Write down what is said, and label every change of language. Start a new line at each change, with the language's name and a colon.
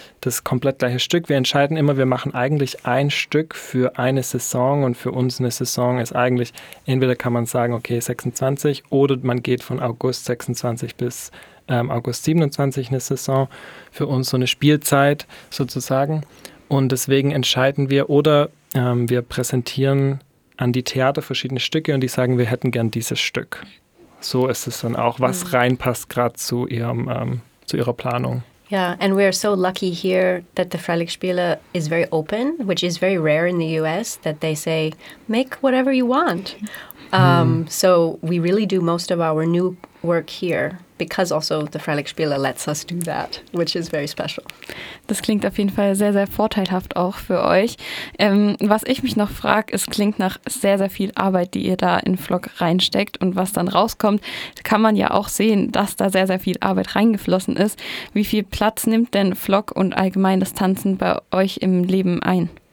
German: Das komplett gleiche Stück. Wir entscheiden immer, wir machen eigentlich ein Stück für eine Saison, und für uns eine Saison ist eigentlich, entweder kann man sagen, okay, 26, oder man geht von August 26 bis August 27 eine Saison. Für uns so eine Spielzeit sozusagen. Und deswegen entscheiden wir, oder wir präsentieren an die Theater verschiedene Stücke und die sagen, wir hätten gern dieses Stück. So ist es dann auch, was reinpasst gerade zu ihrem zu ihrer Planung.
English: Yeah, and we are so lucky here that the Freilichtspiele is very open, which is very rare in the US, that they say, make whatever you want. So we really do most of our new work here, because also the Freilichtspiele lets us do that, which is very special.
German: Das klingt auf jeden Fall sehr, sehr vorteilhaft auch für euch. Was ich mich noch frage, es klingt nach sehr, sehr viel Arbeit, die ihr da in Flock reinsteckt, und was dann rauskommt, kann man ja auch sehen, dass da sehr, sehr viel Arbeit reingeflossen ist. Wie viel Platz nimmt denn Flock und allgemein das Tanzen bei euch im Leben ein?